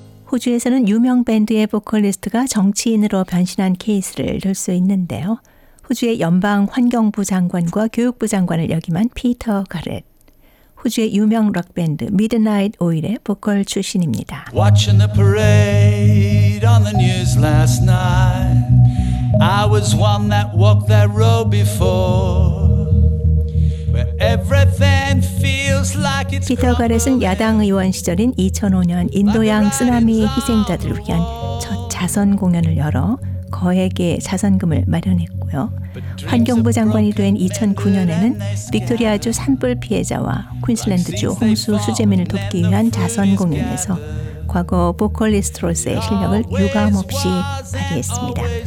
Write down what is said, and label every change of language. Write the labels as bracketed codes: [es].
[ko] 호주에서는 유명 밴드의 보컬리스트가 정치인으로 변신한 케이스를 들 수 있는데요. 호주의 연방 환경부 장관과 교육부 장관을 역임한 피터 가렛. 호주의 유명 록밴드 미드나잇 오일의 보컬 출신입니다. [en] Watching the parade on the news last night. I was one that walked that road before. Everything feels like it's [ko] 피터 가렛은 야당 의원 시절인 2005년 인도양 쓰나미 희생자들을 위한 첫 자선 공연을 열어 거액의 자선금을 마련했고요. 환경부 장관이 된 2009년에는 빅토리아주 산불 피해자와 퀸슬랜드주 홍수 수재민을 돕기 위한 자선 공연에서 과거 보컬리스트로서의 실력을 유감없이 발휘했습니다.